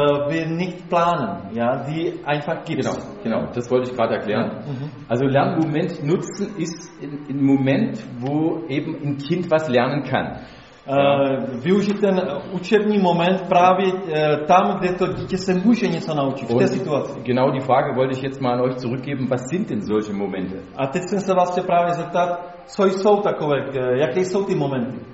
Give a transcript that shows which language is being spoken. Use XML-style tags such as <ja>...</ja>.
<de>Wir nicht planen, ja, die einfach gibt. Genau, genau, das wollte ich gerade erklären. Ja. Mhm. Also Lernmoment nutzen ist ein Moment, wo eben ein Kind was lernen kann.</de> <cs>Využít ten učební moment právě tam, kde to dítě se může něco naučit,</cs> <de>und</de> <cs>v té situaci.</cs> <de>Genau die Frage wollte ich jetzt mal an euch zurückgeben, was sind denn solche Momente?</de> <cs>A teď jsem se vás chtěl právě zeptat, co jsou takové, jaké jsou ty momenty?</cs>